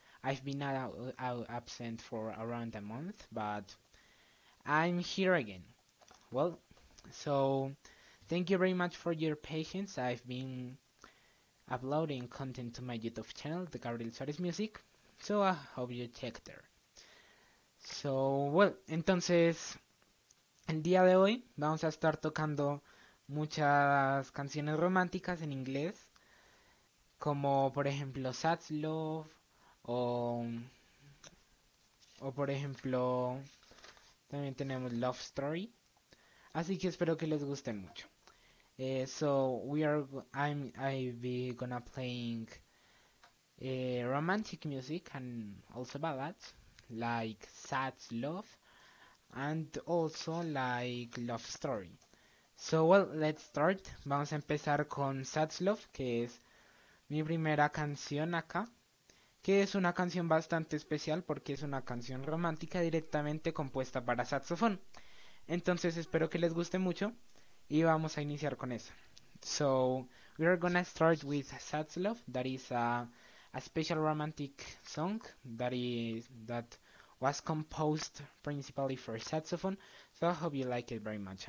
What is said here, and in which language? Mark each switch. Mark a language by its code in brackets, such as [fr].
[en] I've been out absent for around a month, but I'm here again. Well, so thank you very much for your patience. I've been uploading content to my YouTube channel, The Gabriel Suárez Music. So I hope you check there. So, well, [es] entonces, el día de hoy vamos a estar tocando muchas canciones románticas en inglés, como por ejemplo Sad Love o por ejemplo también tenemos Love Story. Así que espero que les gusten mucho. [en] So we are I'll be gonna playing romantic music and also ballads like Sad Love and also like Love Story. So well, let's start. [es] Vamos a empezar con Sad Love, que es mi primera canción acá, que es una canción bastante especial porque es una canción romántica directamente compuesta para saxofón. Entonces espero que les guste mucho. Y vamos a iniciar con eso. [en] So, we are gonna start with Sad Love. That is a special romantic song that was composed principally for saxophone. So, I hope you like it very much.